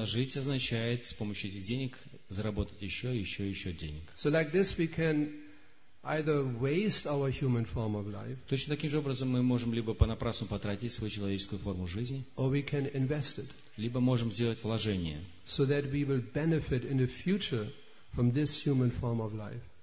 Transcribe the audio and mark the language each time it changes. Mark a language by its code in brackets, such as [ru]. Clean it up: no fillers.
[ru] Вложить означает с помощью этих денег заработать еще, еще, еще денег. [en] So like this we can either waste our human form of life. [ru] Точно таким же образом мы можем либо понапрасну потратить свою человеческую форму жизни. [en] Or we can invest it. [ru] Либо можем сделать вложение. [en] So that we will benefit in the future from this human form of life.